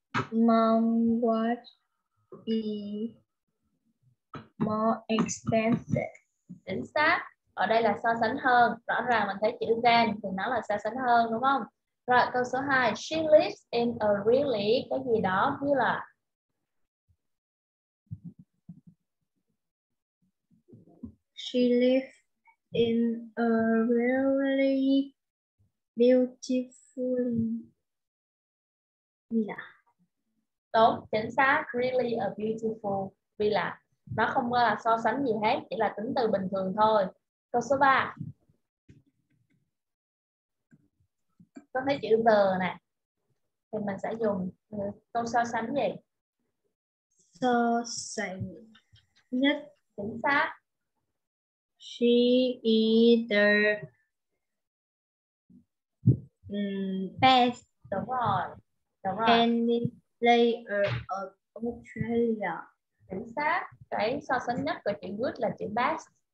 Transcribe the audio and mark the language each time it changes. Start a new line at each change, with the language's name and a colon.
English: Mom watch is more expensive.
Vietnamese: Chính xác. Ở đây là so sánh hơn. Rõ ràng mình thấy chữ than thì nó là so sánh hơn đúng không? Rồi câu số 2.
English: She lives in a really
Vietnamese: cái gì đó như là
English: she lives in a really beautiful villa.
Vietnamese: Đúng, chính xác,
English: really a beautiful villa.
Vietnamese: Nó không có là so sánh gì hết, chỉ là tính từ bình thường thôi. Câu số 3. Có thấy chữ the nè. Thì mình sẽ dùng câu so sánh gì? So sánh nhất. Chính xác.
English: She is the best.
Vietnamese: Đúng rồi. Đúng rồi.
English: Any player of Australia.
Vietnamese: Chính xác. Cái so sánh nhất của chữ good là chữ best.